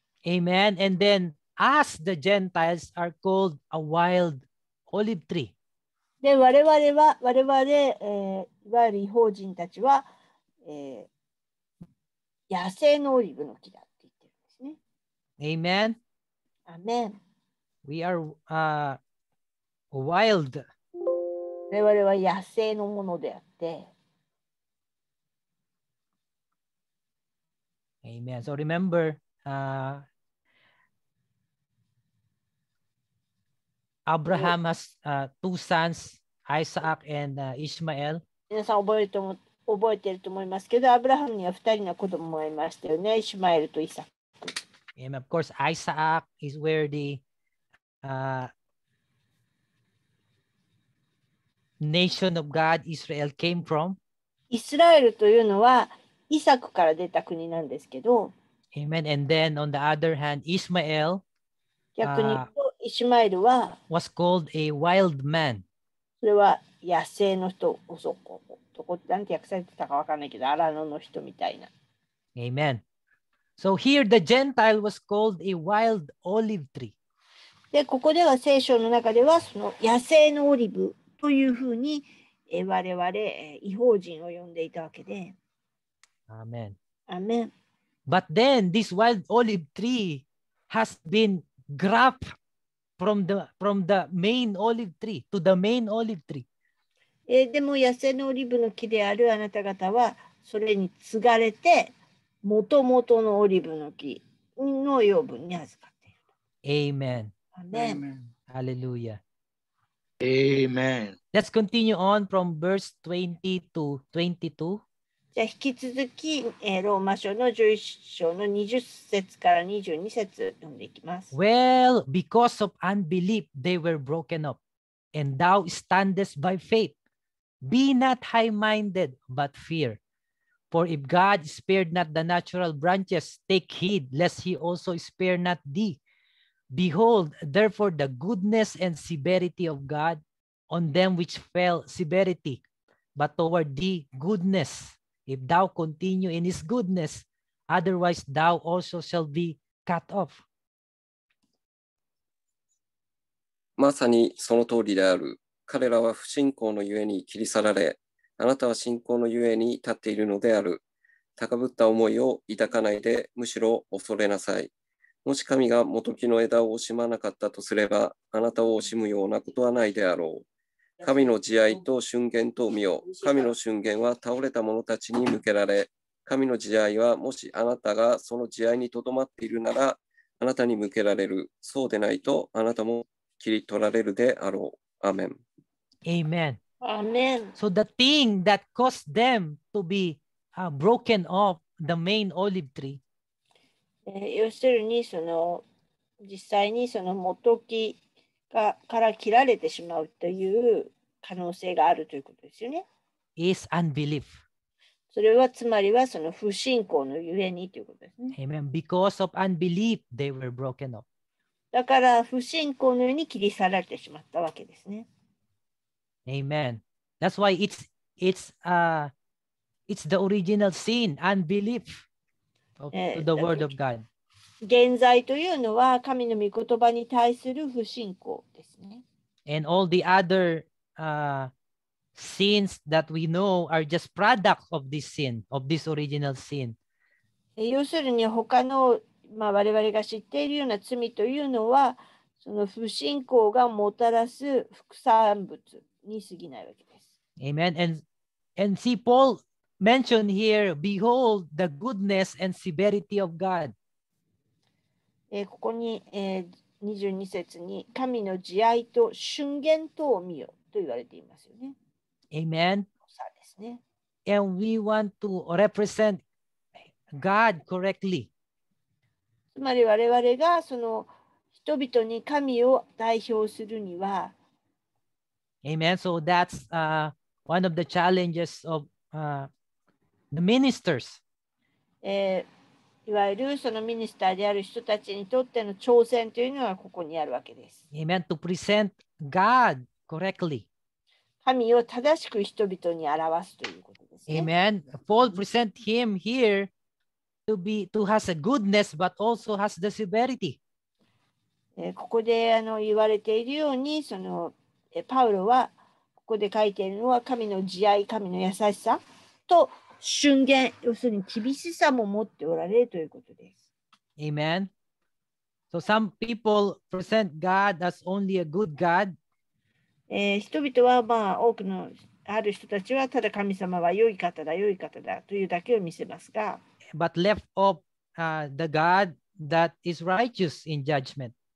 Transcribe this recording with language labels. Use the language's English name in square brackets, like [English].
[English] Amen. And then us, the Gentiles, are called a wild olive tree. [Japanese] で、我々は、いわゆる異邦人たちは、野生のオリーブの木だって言ってるんですね。 [English] Amen. Amen. We are wild. [Japanese] 我々は野生のものであって、 [English] Amen. So remember, Abraham has two sons, Isaac and Ishmael. [Japanese] 皆さん覚えてると思いますけど、アブラハムには二人の子供がいましたよね、イシュマエルとイサク。 [English] And of course, Isaac is where the nation of God, Israel, came from. [Japanese] イスラエルというのは、イサクから出た国なんですけど。 [English] Amen. And then on the other hand, Ishmael, [Japanese] 逆に言うと、イシュマエルは、 [English] was called a wild man. [Japanese] それは野生の人、なんて訳されてたかわかんないけど、アラノの人みたいな。 [English] Amen. So here the Gentile was called a wild olive tree. [Japanese] で、ここでは聖書の中では、その野生のオリーブというふうに、我々、異邦人を呼んでいたわけで。 [English] Amen. Amen. But then this wild olive tree has been grafted from the main olive tree to the main olive tree. [Japanese] でも野生のオリーブの木であるあなた方はそれに継がれて元々のオリーブの木の養分に預かっている [English] 。 Amen. Amen. Hallelujah. Amen. Let's continue on from verse 20 to 22. [Japanese] じゃあ引き続き、ローマ書の11章の20節から22節読んでいきます。 [English] Well, because of unbelief, they were broken up, and thou standest by faith. Be not high-minded, but fear. For if God spared not the natural branches, take heed, lest he also spare not thee. Behold, therefore, the goodness and severity of God on them which fell severity, but toward thee goodness, if thou continue in his goodness, otherwise thou also shall be cut off. [Japanese] まさにその通りである。彼らは不信仰のゆえに切り去られ、あなたは信仰のゆえに立っているのである。高ぶった思いを抱かないで、むしろ恐れなさい。もし神が元木の枝を惜しまなかったとすれば、あなたを惜しむようなことはないであろう。神の慈愛と峻厳とを見よ。神の峻厳は倒れた者たちに向けられ、神の慈愛はもしあなたがその慈愛にとどまっているなら、あなたに向けられる。そうでないと、あなたも切り取られるであろう。 [English] Amen. Amen. Amen. So the thing that caused them to be broken off the main olive tree. [Japanese] 要するにその実際にその元木がから切られてしまうという可能性があるということですよね。 [English] Is unbelief. [Japanese] それはつまりはその不信仰のゆえにということですね。 [English] Amen. Because of unbelief, they were broken off. [Japanese] だから不信仰のように切り去られてしまったわけですね。 [English] Amen. That's why it's the original sin, unbelief of the word of God. [Japanese] 現在というのは神の御言葉に対する不信仰ですね。 [English] And all the other sins that we know are just product of this sin, of this original sin. [Japanese] 要するに他のまあ、我々が知っているような罪というのはその不信仰がもたらす副産物に過ぎないわけです。 [English] Amen. And see, Paul mentioned here, behold the goodness and severity of God. [Japanese] ここに、22節に神の慈愛と峻厳とを見よと言われていますよね。 [English] Amen. [Japanese] そうですね。 [English] And we want to represent God correctly. [Japanese] つまり我々がその人々に神を代表するには、 [English] Amen. So that's one of the challenges of the ministers. [Japanese] いわゆるそのミニスターである人たちにとっての挑戦というのはここにあるわけです。 [English] Amen. To present God correctly. [Japanese] 神を正しく人々に表すということですね。 [English] Amen. Paul present him here. To has a goodness, but also has the severity. [Japanese] ここで言われているようにそのパウロはここで書いているのは神の慈愛、神の優しさと峻厳、要するに厳しさも持っておられるということです。 [English] Amen. So some people present God as only a good God. [Japanese] 人々はまあ多くのある人たちはただ神様は良い方だ、良い方だというだけを見せますが。 [English] But left off the God that is righteous in judgment.